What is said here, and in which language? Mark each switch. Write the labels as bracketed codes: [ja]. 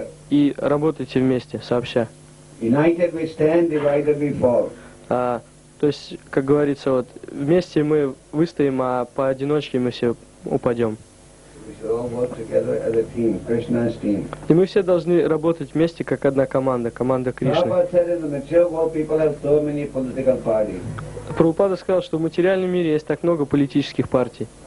[ru] И работайте вместе, сообща. [en] United we stand, divided we fall. [ru] То есть, как говорится, вот вместе мы выстоим, а поодиночке мы все упадем. [en] We should all work together as a team, Krishna's team. [ru] И мы все должны работать вместе, как одна команда, команда Кришны. Прабхупада сказал, что в материальном мире есть так много политических партий.